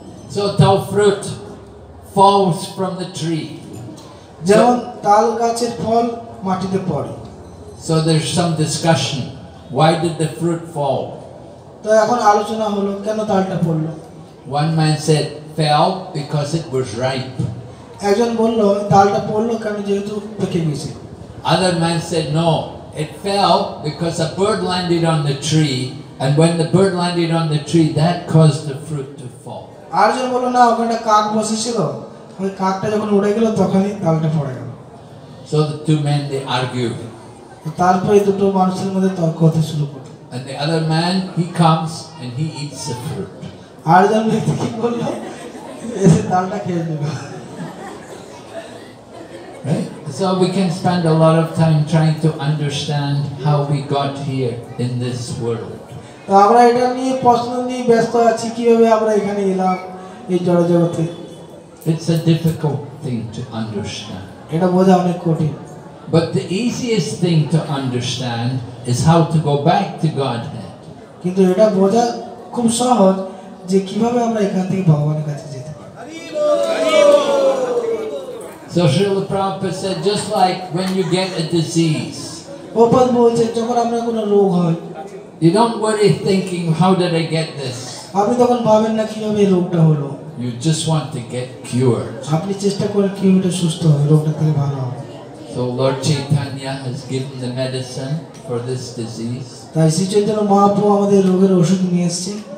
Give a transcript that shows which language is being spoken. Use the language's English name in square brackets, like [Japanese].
[English] So tau fruit falls from the tree. [Bangla] যেমন তাল গাছের ফল মাটিতে পড়ে. [English] So there's some discussion. Why did the fruit fall? [Bangla] তো এখন আলোচনা হলো কেন তালটা পড়লো. [English] One man said fell because it was ripe. [Bangla] একজন বলল তালটা পড়লো কারণ যেহেতু পেকে গেছে. [English] Other man said no, it fell because a bird landed on the tree, and when the bird landed on the tree, that caused the fruit to fall. [Bangla] Arjan বলল না ওখানে কাক বসেছিল. [English] So the two men, they argued. And the other man, he comes and he eats the fruit. Right? So we can spend a lot of time trying to understand how we got here in this world. It's a difficult thing to understand. [Bangla] এটা বোঝা অনেক কঠিন. [English] But the easiest thing to understand is how to go back to Godhead. [Bangla] কিন্তু এটা বোঝা খুব সহজ যে কিভাবে আমরা এখান থেকে ভগবানের কাছে যেতে পারি. [English] So Srila Prabhupada said, just like when you get a disease. [Bangla] ওপর বলছে যখন আমরা কোনো রোগ হয়. [English] You don't worry thinking, how did I get this? [Bangla] আপনি তখন ভাবেন না কিভাবে এই রোগটা হলো. [English] You just want to get cured. [Bangla] আপনি চেষ্টা করেন কিভাবে সুস্থ হই, রোগটা থেকে ভালো হই. [English] So Lord Chaitanya has given the medicine for this disease. [Bangla] তাই শ্রী চৈতন্য মহাপ্রভু আমাদের রোগের ওষুধ নিয়ে এসেছে.